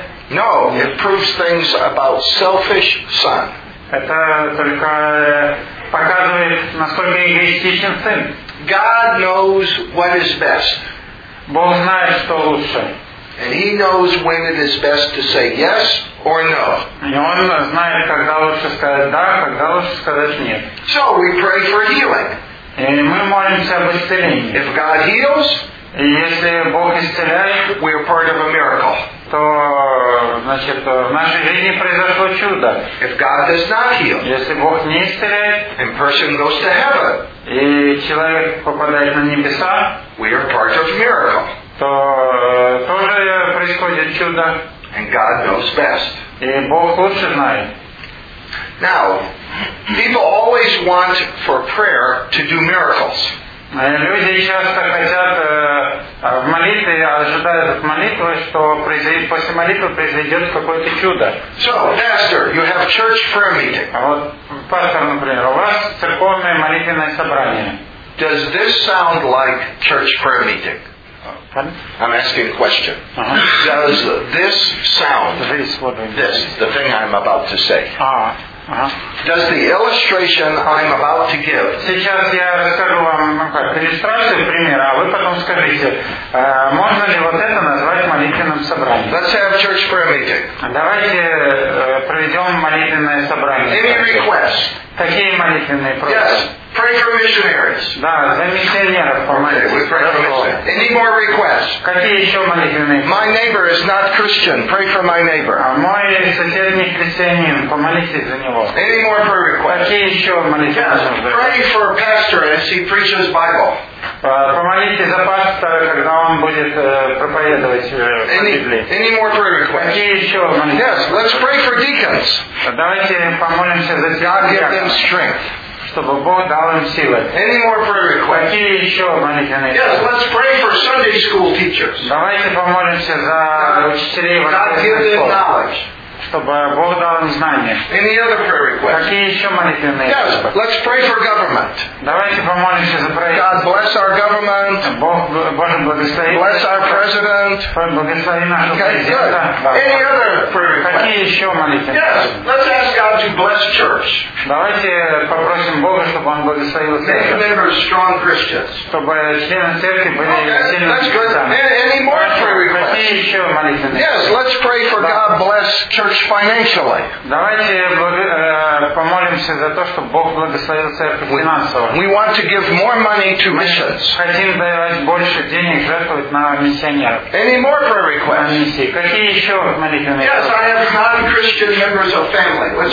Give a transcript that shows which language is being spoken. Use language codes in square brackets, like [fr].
[en] No, it proves things about selfish son. [ru] Это только показывает, насколько эгоистичен сын. [en] God knows what is best. [ru] Бог знает, что лучше. [en] And he knows when it is best to say yes or no. [ru] И он знает, когда лучше сказать да, когда лучше сказать нет. [en] So we pray for healing. [ru] И мы молимся об исцелении. [en] If God heals, [ru] и если Бог исцеляет, [en] we are part of a miracle. [ru] То, значит, в нашей жизни произошло чудо. [en] If God does not heal, [ru] если Бог не исцеляет, [en] and person goes to heaven, [ru] и человек попадает на небеса, [en] we are part of a miracle. [ru] То тоже происходит чудо. [en] And God knows best. [ru] И Бог лучше знает. [en] Now, people always want for prayer to do miracles. [ru] Люди часто хотят в молитве, ожидают от молитвы, что после молитвы произойдет какое-то чудо. [en] So, pastor, you have church prayer meeting. [ru] Вот, пастор, например, у вас церковное молитвенное собрание. [en] Does this sound like church prayer meeting? Pardon? I'm asking a question. Uh-huh. Does this sound, this, what do you this mean? The thing I'm about to say, uh-huh. Does the illustration I'm about to give, [ru] сейчас я расскажу вам, ну как, иллюстрацию, пример, а вы потом скажите, можно ли вот это назвать молитвенным собранием? [en] Let's have church prayer meeting. [ru] Давайте проведем молитвенное собрание. [en] Any request? [ru] Такие молитвенные просьбы. [en] Yes. Pray for missionaries. [ru] Да, за миссионеров помолитесь. [en] Any more requests? [ru] Какие еще молитвенные? [en] My neighbor is not Christian. Pray for my neighbor. [ru] А мой сосед не христианин. Помолитесь за него. [en] Any more prayer requests? [ru] Какие еще молитвенные? [en] Yes. Pray for a pastor as he preaches Bible. [ru] Помолитесь за пастора, когда он будет проповедовать Библию. [en] Any more prayer requests? [ru] Какие еще молитвенные? [en] Yes. Let's pray for deacons. [ru] Давайте помолимся за диаконов. [en] God give them strength. [ru] Чтобы Бог дал им силы. [en] Any more prayer requests? [ru] Какие еще молитвенные? [en] Yes, let's pray for Sunday school teachers. [ru] Давайте помолимся за учителей воскресных школ. [en] God give them knowledge. [ru] Чтобы Бог дал им знания. [en] Any other prayer requests? [ru] Какие еще молитвенные? [en] Yes, let's pray for government. [ru] Давайте помолимся за правительство. [en] God bless our government. [ru] Бог благослови. [en] Bless our president. [ru] Бог благослови нашего президента. [en] Any other prayer requests? [ru] Какие еще молитвенные? [en] Yes, let's ask God to bless church. [ru] Давайте попросим Бога, чтобы Он благословил церковь. [en] Make members strong Christians. [ru] Чтобы члены церкви были сильными христианами. [en] That's good. Any more prayer requests? [ru] Какие еще молитвенные? [en] Yes, let's pray for God bless church financially. [ru] Давайте помолимся за то, чтобы Бог благословил церковь финансово. [en] We want to give more money to missions. [ru] Хотим давать больше денег, жертвовать на миссионеров. [en] Any more prayer requests? [ru] Какие еще молитвенные? [en] Yes, I have non-Christian members of family.